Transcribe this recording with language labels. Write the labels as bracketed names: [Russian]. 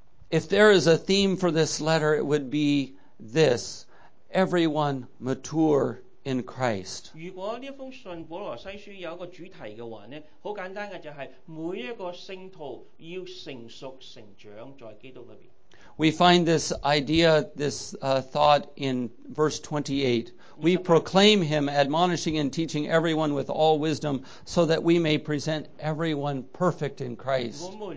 [English] If there is a theme for this letter, it would be this: everyone mature in Christ. [Cantonese] 如果这封信保罗西书有一个主题的话呢，好简单嘅就系每一个圣徒要成熟成长在基督里边。 [English] We find this idea, this thought in verse 28. We proclaim him, admonishing and teaching everyone with all wisdom, so that we may present everyone perfect in Christ.